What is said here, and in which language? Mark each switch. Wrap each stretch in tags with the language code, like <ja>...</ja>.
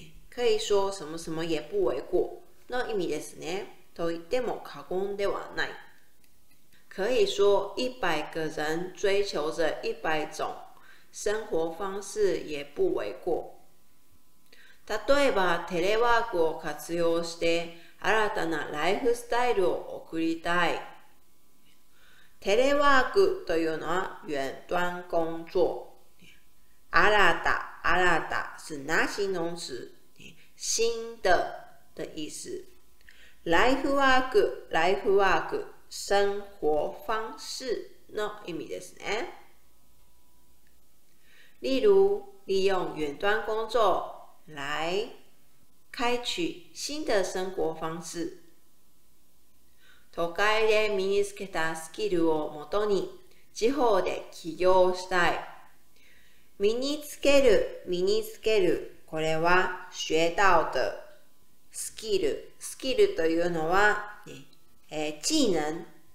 <zh>可以说什么什么也不为过</zh> <ja>の意味ですね。と言っても過言ではない。</ja> <zh>可以说一百个人追求着一百种生活方式也不为过。</zh> <ja>例えばテレワークを活用して新たなライフスタイルを送りたい。テレワークというのは</ja> <zh>遠端工作。新た是那形容詞、新的的意思。</zh> <ja>ライフワーク</ja> <zh>生活方式</zh> <ja>の意味ですね。</ja> <zh>例如利用遠端工作来开启新的生活方式。</zh> <ja>都会で身につけたスキルをもとに地方で起業したい。身につける、これは</ja> <zh>学到的。</zh> <ja>スキルというのは、技能。</ja>